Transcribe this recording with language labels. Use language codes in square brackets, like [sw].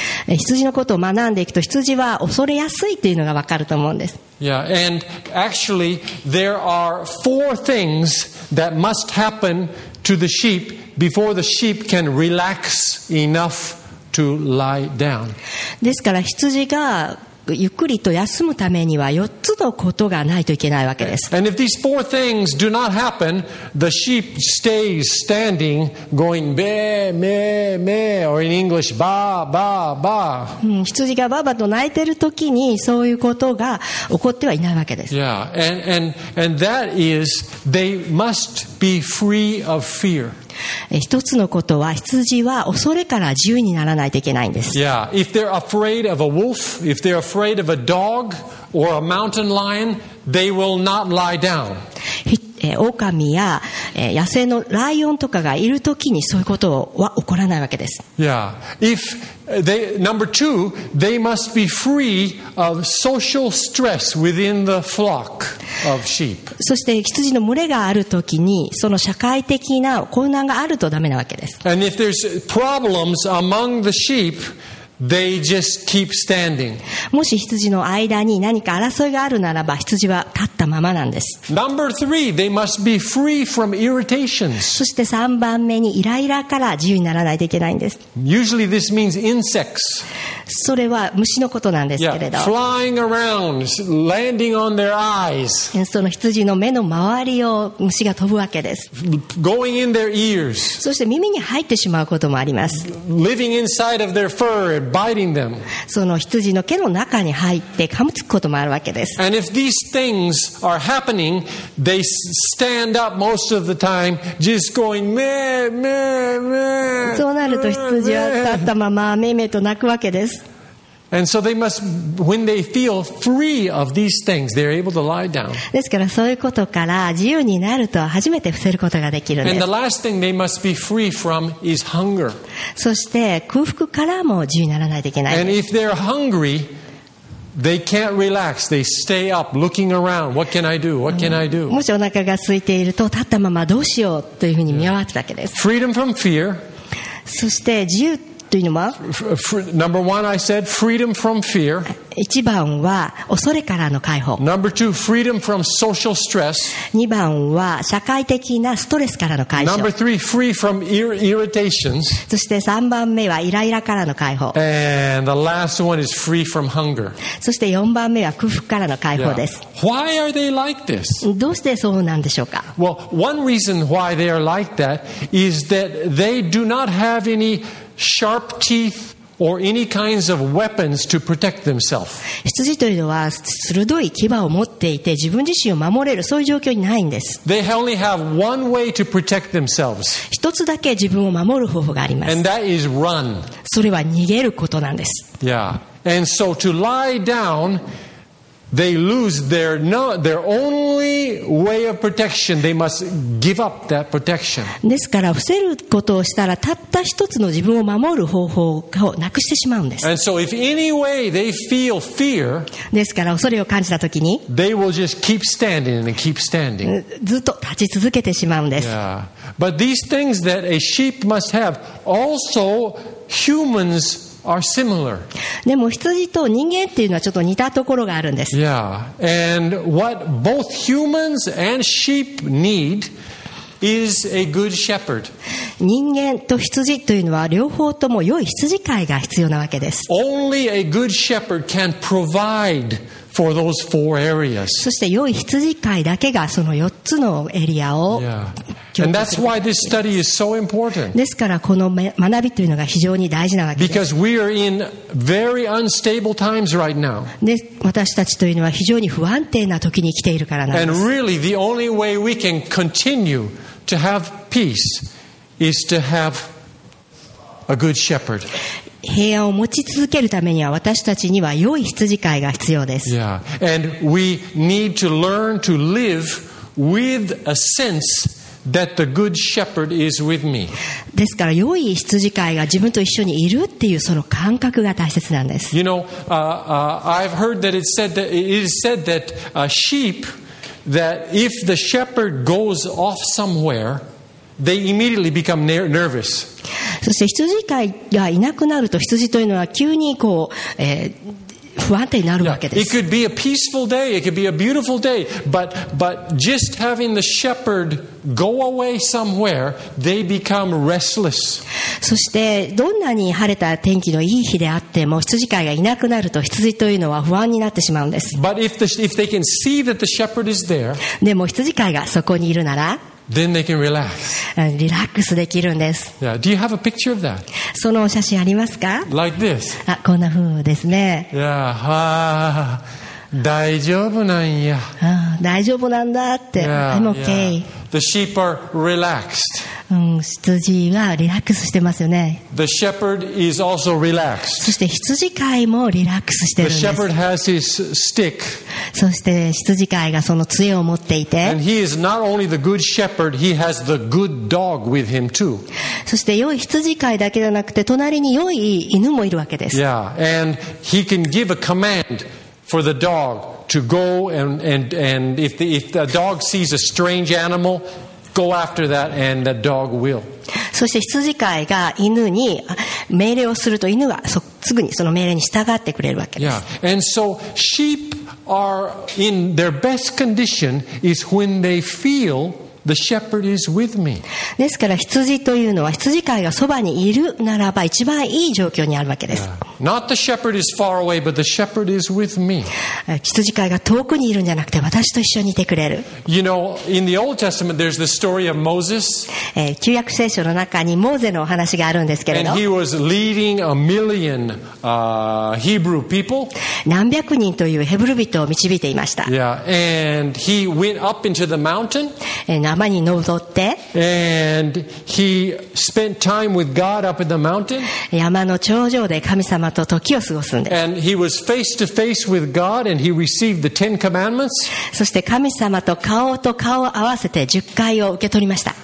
[ja] 羊のことを学んでいくと、羊は恐れやすいというのが分かると思うんです。 [en] Yeah, and actually there are four things that must happen to the sheep before the sheep can relax enough to lie down. [ja] ですから羊がゆっくりと休むためには4つのことがないといけないわけです。 [en] And if these four things do not happen, the sheep stays standing, going meh, meh, meh, or in English, ba, ba, ba. [ja] 羊がバーバーと鳴いてる時にそういうことが起こってはいないわけです。 [en] Yeah, and that is, they must be free of fear. [ja] 一つのことは羊は恐れから自由にならないといけないんです。 [en] Yeah, if they're afraid of a wolf, if they're afraid of a dog or a mountain lion, they will not lie down. [ja] 狼や野生のライオンとかがいるときにそういうことは起こらないわけです。 [en] Yeah, if they, number two, they must be free of social stress within the flock. Of sheep. [ja] そして羊の群れがあるときにその社会的な困難があるとダメなわけです。 [en] And if there's problems among the sheep, they just keep standing. [ja] もし羊の間に何か争いがあるならば羊は立ったままなんです。 [en] Number three, they must be free from irritations. [ja] そして3番目にイライラから自由にならないといけないんです。 [en] Usually this means insects. [ja] それは虫のことなんですけれど、 [en] yeah, flying around, landing on their eyes. [ja] その羊の目の周りを虫が飛ぶわけです。 [en] Going in their ears. [ja] そして耳に入ってしまうこともあります。 [en] Living inside of their fur and biting them. [ja] その羊の毛の中に入って噛みつくこともあるわけです。 [en] And if these things are happening, they stand up most of the time, just going meh, meh, meh. [ja] そうなると羊は立ったままめめと鳴くわけです。 [en] And so they must, when they feel free of these things, they're able to lie down. [ja] ですからそういうことから自由になると初めて伏せることができるんです。 [en] And the last thing they must be free from is hunger. [ja] そして空腹からも自由にならないといけないです。 [en] And if they're hungry, they can't relax. They stay up looking around. What can I do? What can I do? [ja] もしお腹が空いていると立ったままどうしようというふうに見回すだけです。 [en] Freedom from fear. [ja] そして自由というのは、 [en] Number one, I said, freedom from fear. [ja] 1番は恐れからの解放。 [en] Number two, freedom from social stress. [ja] 2番は社会的なストレスからの解放。 [en] Number three, free from irritations. [ja] そして3番目はイライラからの解放。 [en] And the last one is free from hunger. [ja] そして4番目は空腹からの解放です。 [en] Yeah. Why are they like this? [ja] どうしてそうなんでしょうか? [en] Well, one reason why they are like that is that they do not have anysharp teeth or any kinds of weapons to protect themselves. [ja] 羊というのは鋭い牙を持っていて自分自身を守れるそういう状況にないんです。 [en] They only have one way to protect themselves. [ja] 一つだけ自分を守る方法があります。 [en] And that is run. [ja] それは逃げることなんです。 [en] Yeah. And so to lie down,They lose their only way of protection. They must give up that protection. [ja] ですから伏せることをしたらたった一つの自分を守る方法をなくしてしまうんです。 [en] And so if any way they feel fear, [ja] ですから恐れを感じたときに、 [en] they will just keep standing and keep standing. [ja] ずっと立ち続けてしまうんです。 [en] Yeah. But these things that a sheep must have, also humans. Are similar. [ja] でも羊と人間っていうのはちょっと似たところがあるんです。 [en] Yeah. And what both humans and sheep need is a good shepherd. [ja] 人間と羊というのは両方とも良い羊飼いが必要なわけです。 [en] Only a good shepherd can provide for those four areas. [ja] そして良い羊飼いだけがその4つのエリアを。 [en] Yeah. And that's why this study is so important. [ja] ですからこの学びというのが非常に大事なわけです。 [en] Because we are in very unstable times right now. [ja] 私たちというのは非常に不安定な時に来ているからなんです。 [en] And really the only way we can continue to have peace is to have a good shepherd. [ja] 平安を持ち続けるためには私たちには良い羊飼いが必要です。 [en] Yeah. And we need to learn to live with a sense that the good shepherd is with me. [ja] ですから良い羊飼いが自分と一緒にいるっていうその感覚が大切なんです。 [en] You know, I've heard that it said that it is said that a sheep that if the shepherd goes off somewhere. They immediately become nervous. [ja] そして羊飼いがいなくなると羊というのは急にこう、不安定になるわけです。 [en] Yeah. It could be a peaceful day. It could be a beautiful day. But just having the shepherd go away somewhere, they become restless. [ja] そしてどんなに晴れた天気のいい日であっても羊飼いがいなくなると羊というのは不安になってしまうんです。 [en] But if they can see that the shepherd is there, [ja] でも羊飼いがそこにいるなら。 [en] Then they can relax. [ja] リラックスできるんです。 [en] Yeah. Do you have a picture of that? [ja] その写真ありますか? [en] Like this. [ja] あ、こんな風ですね。 Yeah. Ah, 大丈夫なんや。あ、大丈夫なんだって。 [en] Yeah, I'm okay. Yeah. The sheep are relaxed. [ja] 羊はリラックスしてますよね。 [en] The shepherd is also relaxed. [ja] そして羊飼いもリラックスしてるんです。 [en] The shepherd has his stick. [ja] そして羊飼いがその杖を持っていて、 [en] And he is not only the good shepherd, he has the good dog with him too. [ja] そして良い羊飼いだけじゃなくて隣に良い犬もいるわけです。 [en] Yeah, and he can give a command for the dog to go and if the dog sees a strange animal, go after that and the dog will. [ja] そして羊飼いが犬に命令をすると犬がすぐにその命令に従ってくれるわけです。 [en] Yeah. And so sheep are in their best condition is when they feel the shepherd is with me. [ja] ですから羊というのは羊飼いがそばにいるならば一番いい状況にあるわけです。 [en] Yeah. Not the shepherd is far away, but the shepherd is with me. [ja] 羊飼いが遠くにいるんじゃなくて私と一緒にいてくれる。 [en] You know, in the Old Testament, there's the story of Moses. [ja] 旧約聖書の中にモーゼのお話があるんですけれど。 [en] And he was leading a million, Hebrew people. [ja] 何百人というヘブル人を導いていました。 [en] Yeah, and he went up into the mountain. [ja] 山に登って。 [en] And he spent time with God up in the mountain. [ja] 山の頂上で神様と時を過ごすんです。 [en] And he was face to face with God. And he received the Ten Commandments. [ja] そして神様と顔と顔を合わせて十戒を受け取りました。